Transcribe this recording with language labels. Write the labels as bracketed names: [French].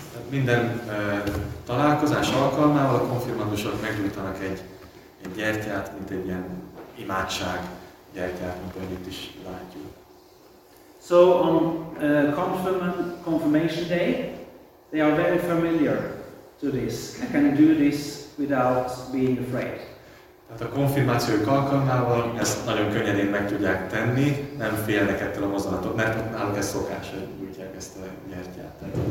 [Hungarian] Minden találkozás alkalmával a konfirmandusok meggyújtanak egy gyertyát, mint egy ilyen imádság gyertyát, mint itt is látjuk. [English] So on confirmation day, they are very familiar to this. I can do this without being afraid. [Hungarian] Tehát a konfirmációk alkalmával ezt nagyon könnyen meg tudják tenni, nem félnek ettől a mozdulatot, mert náluk ez szokás, hogy gyújtják ezt a gyertyát.